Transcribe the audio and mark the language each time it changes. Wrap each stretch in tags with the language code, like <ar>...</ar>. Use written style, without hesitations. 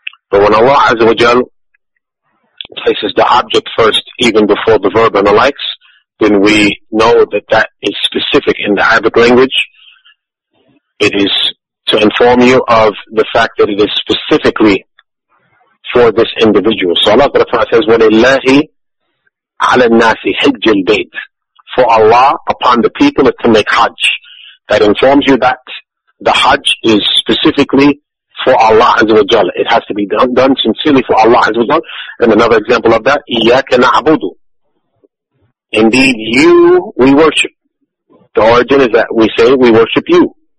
<en>But when Allah Azza wa Jal places the object first, even before the verb and the likes, then we know that that is specific in the Arabic language. It is to inform you of the fact that it is specifically for this individual. So Allah Ta'ala says,</en> <ar>وَلِلَّهِ عَلَى النَّاسِ حِجِّ الْبَيْتِ.</ar> <en>For Allah, upon the people, is to make Hajj. That informs you that the Hajj is specifically for Allah Azza wa Jalla. It has to be done sincerely for Allah Azza wa Jalla. And another example of that,</en> <ar>إِيَّاكَ نَعْبُدُ.</ar> <en>Indeed, you we worship. The origin is that we say we worship you.</en>